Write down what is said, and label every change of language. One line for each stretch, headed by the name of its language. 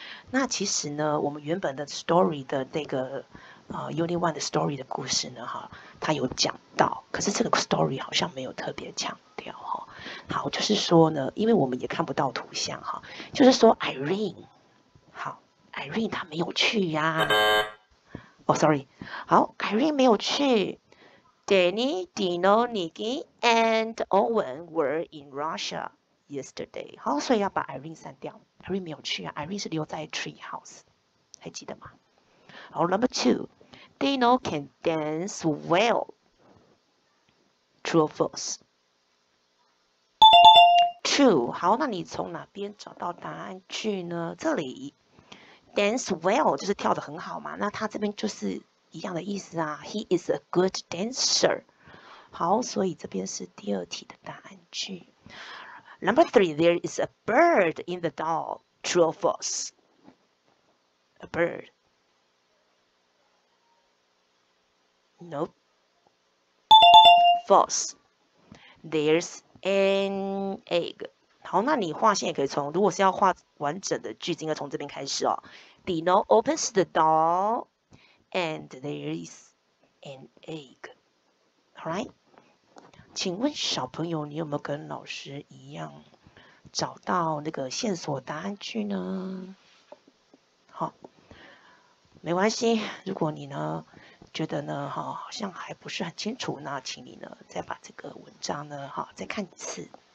Chinese: 那其实呢，我们原本的 story 的那个Unit One 的 story 的故事呢，它有讲到，可是这个 story 好像没有特别强调哈。好，就是说呢，因为我们也看不到图像哈，就是说 Irene 她没有去呀。
English: Sorry.
Chinese: 好， Irene 没有去。
English: Danny, Dino, Nikki, and Owen were in Russia yesterday.
Chinese: 好，所以要把 Irene 删掉。Irene 没有去啊， Irene 是留在 Treehouse， 还记得吗？好，
English: Number 2. Dino can dance well. True or false? True.
Chinese: 好，那你从哪边找到答案去呢？这里
English: Dance well
Chinese: 就是跳得很好嘛，那他这边就是一样的意思啊。
English: He is a good dancer.
Chinese: 好，所以这边是第二题的答案句。
English: Number three, there is a bird in the doll. True or false? A bird. Nope. False. There's an egg.
Chinese: 好，那你画线也可以从，如果是要画完整的句子，应该从这边开始哦。
English: Dino opens the door, and there is an egg. All right?
Chinese: 请问小朋友，你有没有跟老师一样找到那个线索答案句呢？好，没关系。如果你呢觉得呢好像还不是很清楚，那请你呢再把这个文章呢再看一次。